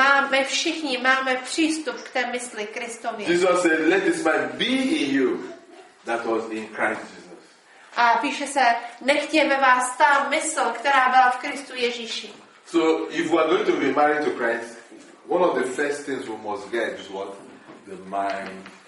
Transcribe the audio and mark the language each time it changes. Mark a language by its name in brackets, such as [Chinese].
[Czech] My všichni máme přístup k té mysli Kristově. [English] Jesus said, "Let this mind be in you that was in Christ Jesus." [Czech] A píše se, nechtě ve vás ta mysl, která byla v Kristu Ježíši. [English] So if we are going to be married to Christ, one of the first things we must get is what the mind.